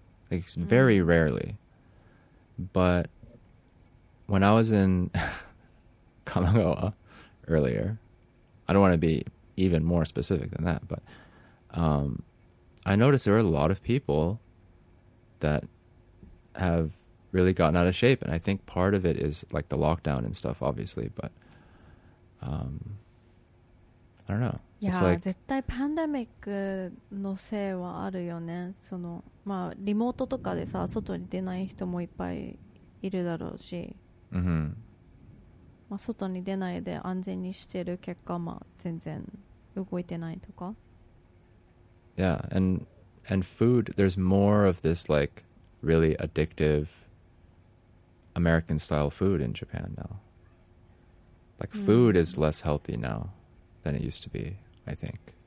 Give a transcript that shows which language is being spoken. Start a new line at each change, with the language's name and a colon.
English: Like, very rarely. But when I was in Kanagawa earlier, I don't want to be even more specific than that, but I noticed there are a lot of people that have really gotten out of shape. And I think part of it is like the lockdown and stuff, obviously, but I don't know.
Japanese: いや、like、絶対パンデミックのせいはあるよね。その、まあ、リモートとかでさ、外に出ない人もいっぱいいるだろうし、 mm-hmm. まあ、外に出ないで安全にしてる結果、まあ、全然動いてないとか。
English: Yeah, and food, there's more of this like really addictive American style food in Japan now. Like food is less healthy now than it used to be. I think.